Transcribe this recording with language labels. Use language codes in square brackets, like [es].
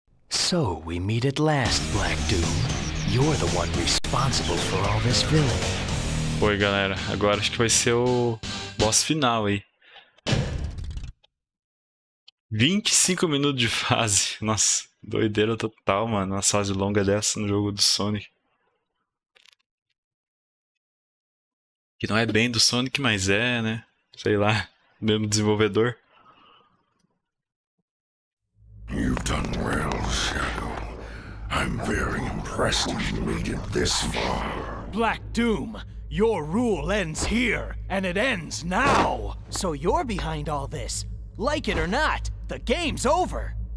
[en] So we meet at last, Black Doom. You're the one responsible for all this villainy. [pt] Oi, galera. Agora acho que vai ser o boss final aí. 25 minutos de fase. Nossa, doideira total, mano. Uma fase longa dessa no jogo do Sonic. Que não é bem do Sonic, mas é, né? Sei lá, mesmo desenvolvedor. [en] You've done well, Shadow. I'm very impressed you made it this far. Black Doom, your rule ends here, and it ends now. So you're behind all this. Like it or not, the game's over!